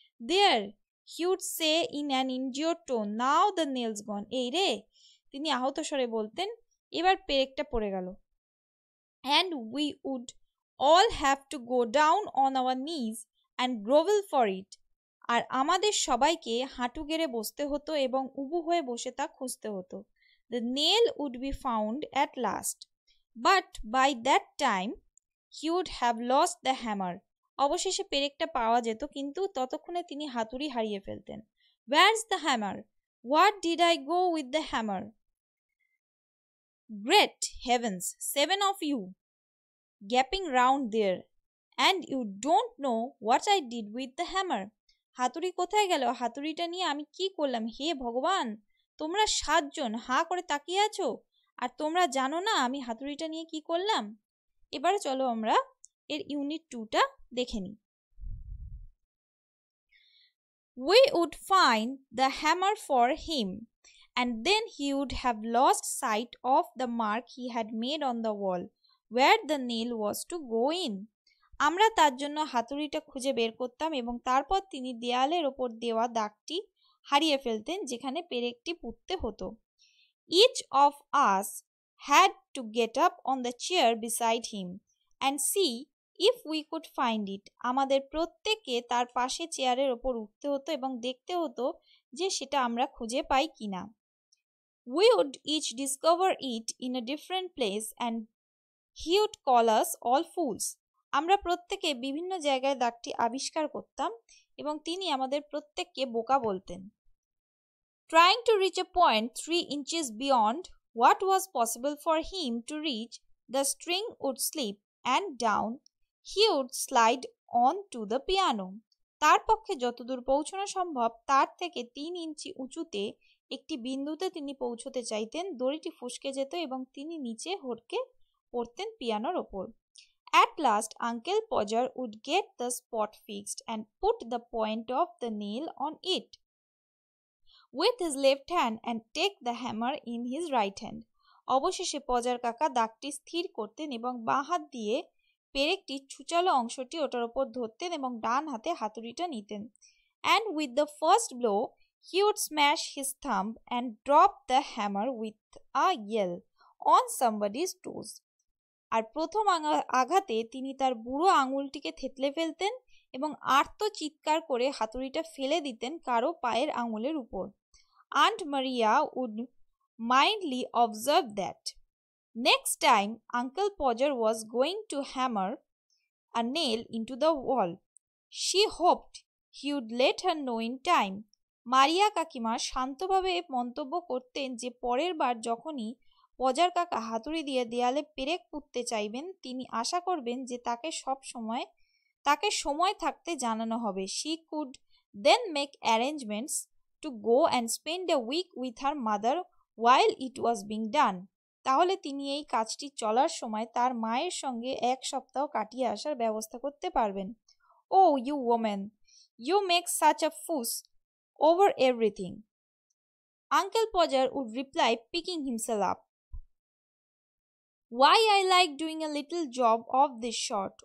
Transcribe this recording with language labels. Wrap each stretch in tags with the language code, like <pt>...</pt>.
<en>There, he would say in an injured tone, now the nail's gone.</en> <bn>এই রে, তিনি আহত স্বরে বলতেন, এবার পেরেকটা পড়ে গেল।</bn> <en>And we would all have to go down on our knees and grovel for it.</en> <bn>আর আমাদের সবাইকে হাঁটু গেড়ে বসতে হতো এবং উবু হয়ে বসে তা খুঁজতে হতো।</bn> <en>The nail would be found at last. But by that time, he would have lost the hammer.</en> <bn>অবশেষে পেরেকটা পাওয়া যেত, কিন্তু ততক্ষণে তিনি হাতুড়ি হারিয়ে ফেলতেন।</bn> <en>Where's the hammer? What did I go with the hammer? Great heavens, 7 of you gaping round there and you don't know what I did with the hammer.</en> <bn>হাতুড়ি কোথায় গেল? হাতুড়িটা নিয়ে আমি কি করলাম? হে ভগবান, তোমরা 7 জন হা করে তাকিয়ে আছো আর তোমরা জানো না আমি হাতুড়িটা নিয়ে কি করলাম? এবারে চলো আমরা এর ইউনিট 2টা দেখে নি।</bn> <en>We would find the hammer for him. And then he would have lost sight of the mark he had made on the wall, where the nail was to go in.</en> <bn>আমরা তার জন্য হাতুড়িটা খুঁজে বের করতাম এবং তারপর তিনি দেয়ালের ওপর দেওয়া দাগটি হারিয়ে ফেলতেন যেখানে পেরেকটি পুঁততে হতো।</bn> <en>Each of us had to get up on the chair beside him and see if we could find it.</en> <bn>আমাদের প্রত্যেককে তার পাশে চেয়ারের ওপর উঠতে হতো এবং দেখতে হতো যে সেটা আমরা খুঁজে পাই কিনা।</bn> <en>We would each discover it in a different place and he would call us all fools.</en> <bn>আমরা প্রত্যেকে বিভিন্ন জায়গায় দাগটি আবিষ্কার করতাম এবং তিনি আমাদের প্রত্যেককে বোকা বলতেন।</bn> <en>Trying to reach a point 3 inches beyond what was possible for him to reach, the string would slip and down he would slide on to the piano.</en> <bn>তার পক্ষে যতদূর পৌঁছানো সম্ভব তার থেকে 3 ইঞ্চি উঁচুতে একটি বিন্দুতে তিনি পৌঁছতে চাইতেন, দড়িটি ফুসকে যেত এবং তিনি নিচে হড়কে পড়তেন পিয়ানোর ওপর।</bn> <en>At last, Uncle Podger would get the spot fixed and put the point of the nail on it with his left hand and take the hammer in his right hand.</en> <bn>অবশেষে পজার কাকা দাগটি স্থির করতেন এবং বাঁ হাত দিয়ে পেরেকটি ছুচালো অংশটি ওটার ওপর ধরতেন এবং ডান হাতে হাতুড়িটা নিতেন।</bn> <en>And with the first blow, he would smash his thumb and drop the hammer with a yell on somebody's toes.</en> <bn>আর প্রথম আঘাতে তিনি তার বুড়ো আঙুলটিকে থেতলে ফেলতেন এবং আর্ত চিৎকার করে হাতুড়িটা ফেলে দিতেন কারো পায়ের আঙুলের উপর।</bn> <en>Aunt Maria would mildly observe that. Next time, Uncle Podger was going to hammer a nail into the wall. She hoped he would let her know in time.</en> <bn>মারিয়া কাকিমা শান্তভাবে মন্তব্য করতেন যে পরের বার যখনই পজার কাকা হাতুড়ি দিয়ে দেয়ালে পেরেক পুঁততে চাইবেন, তিনি আশা করবেন যে তাকে সব সময় তাকে সময় থাকতে জানানো হবে।</bn> <en>She could then make arrangements to go and spend a week with her mother while it was being done.</en> <bn>তাহলে তিনি এই কাজটি চলার সময় তার মায়ের সঙ্গে 1 সপ্তাহ কাটিয়ে আসার ব্যবস্থা করতে পারবেন।</bn> <en>Oh you woman, you make such a fuss over everything. Uncle Podger would reply, picking himself up. Why I like doing a little job of this sort.</en>